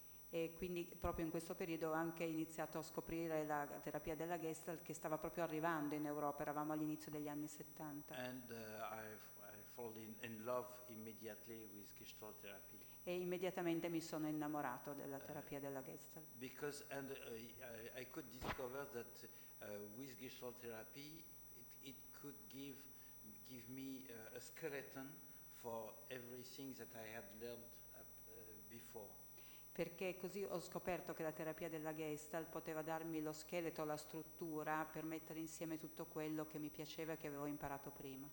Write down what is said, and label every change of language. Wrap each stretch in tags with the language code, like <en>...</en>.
<it>E quindi proprio in questo periodo ho anche iniziato a scoprire la terapia della Gestalt, che stava proprio arrivando in Europa, eravamo all'inizio degli anni 70.</it> <en>And I fall in love immediately with Gestalt therapy.</en> <it>E immediatamente mi sono innamorato della terapia della Gestalt.</it> <en>Because and I could discover that with Gestalt therapy it could give me a skeleton for everything that I had learned before.</en> <it>Perché così ho scoperto che la terapia della Gestalt poteva darmi lo scheletro, la struttura per mettere insieme tutto quello che mi piaceva e che avevo imparato prima.</it>